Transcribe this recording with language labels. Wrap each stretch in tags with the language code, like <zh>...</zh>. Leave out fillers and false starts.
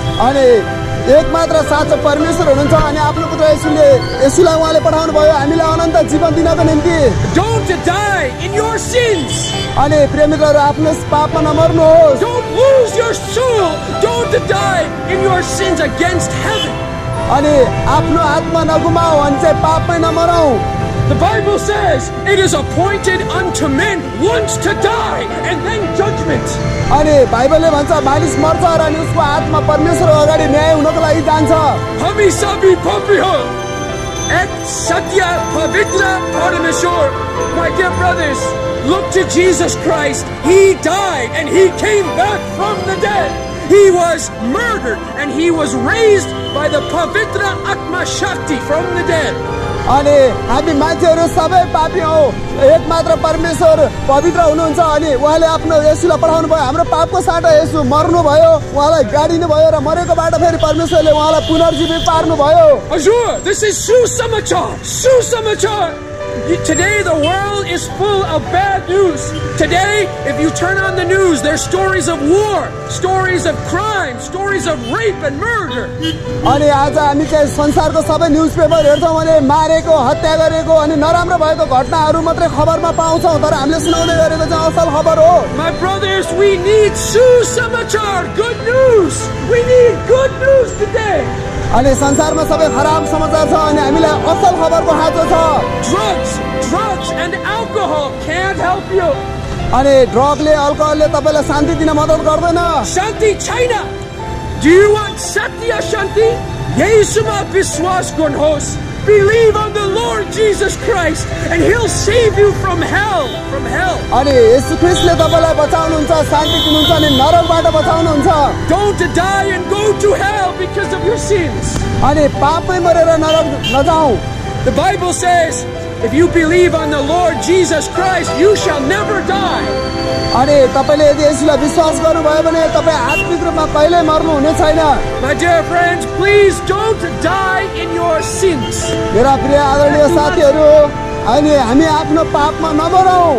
<ne>अनि एकमात्र साँचो परमेश्वर हुनुहुन्छ अनि आफ्नो पुत्र येशूले येशूलाई उहाँले पठाउनु भयो हामीलाई अनन्त जीवन दिनको निम्ति</ne> <en>don't die in your sins</en> <ne>अनि प्रेमीहरु आफ्नो पापमा नमर्नुहोस्</ne> <en>don't lose your soul don't die in your sins against heaven</en> <ne>अनि आफ्नो आत्मा नगुमाऊ अनि चाहिँ पापमै नमरौ</ne> <en>The Bible says it is appointed unto men once to die and then judgment.</en> <ne>अनि बाइबलले भन्छ मानिस मर्छ र अनि उसको आत्मा परमेश्वर अगाडि न्याय हुनको लागि जान्छ। हामी सबै पापी हो। एक सत्य पवित्र परमेश्वर।</ne> <en>My dear brothers, look to Jesus Christ. He died and he came back from the dead. He was murdered and he was raised by the</en> <ne>pavitra atma shakti</ne> <en>from the dead.</en> <ne>अनि हामी मान्छेहरू सबै पापी हौ एकमात्र परमेश्वर पवित्र हुनुहुन्छ अनि उहाँले आफ्नो येशूलाई पठाउनु भयो हाम्रो पापको साटो येशू मर्नुभयो उहाँलाई गाडिनु भयो र मरेको बाटो फेरि परमेश्वरले उहाँलाई पुनर्जीवित पार्नुभयो</ne> <en>हजुर this is सुसमाचार सुसमाचार Today the world is full of bad news. Today, if you turn on the news, there's stories of war, stories of crime, stories of rape and murder.</en> <ne>अनि आज हामी चाहिँ संसारको सबै न्यूजपेपर हेर्छौं भने मारेको, हत्या गरेको अनि नराम्रो भएको घटनाहरु मात्रै खबरमा पाउँछौं तर हामीले सुनाउने गरेको चाहिँ असल खबर हो.</ne> <en>My brothers, we need Susamachar, good news. We need good news today.</en> <ne>अनि संसारमा सबै खराब समाचार छ अनि हामीलाई असल खबरको खाँचो छ</ne> <en>drugs drugs and alcohol can't help you</en> <ne>अनि ड्रगले अल्कोहलले तपाईलाई शान्ति दिन मद्दत गर्दैन शान्ति छैन</ne> <en>do you want</en> <ne>सत्य शान्ति येशूमा विश्वास गर्नुहोस्</ne> <en>believe on the Lord Jesus Christ and he'll save you from hell. From hell.</en> <ne>अनि येशू ख्रीष्टले तपाईलाई बचाउनुहुन्छ, शान्ति दिनुहुन्छ अनि नरकबाट बचाउनुहुन्छ.</ne> <en>Don't die and go to hell because of your sins.</en> <ne>अनि पापमै मरेर नरक नजाऊ.</ne> <en>The Bible says if you believe on the Lord Jesus Christ you shall never die.</en> <ne>अनि तपाईले यदि येशूलाई विश्वास गर्नुभयो भने तपाई आत्मिक रूपमा कहिले मर्नु हुने छैन.</ne> <en>My dear friends, please don't die in your sins.</en> <ne>मेरा प्रिय आदरणीय साथीहरू, अनि हामी आफ्नो पापमा नमरौ.</ne>